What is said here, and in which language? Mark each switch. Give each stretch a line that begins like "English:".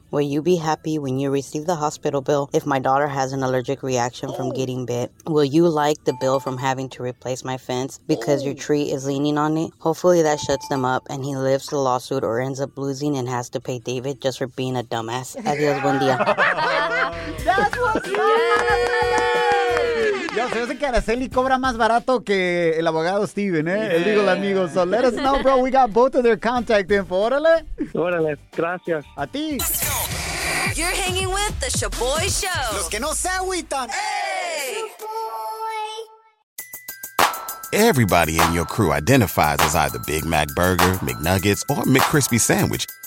English: Will you be happy when you receive the hospital bill if my daughter has an allergic reaction from getting bit? Will you like the bill from having to replace my fence because your tree is leaning on it? Hopefully that shuts them up and he lives the lawsuit or ends up losing and has to pay David just for being a dumbass.
Spanish: Adios, buen día.
English: That's what's up.
Spanish: Yo, se hace que Araceli cobra más barato que el abogado Steven, el legal amigo.
English: So let us know, bro. We got both of their contact info.
Spanish: Órale. Órale. Gracias. A ti.
English: You're hanging with the Shaboy Show.
Spanish: Los que no se agüitan.
English: Everybody in your crew identifies as either Big Mac Burger, McNuggets, or McCrispy Sandwich.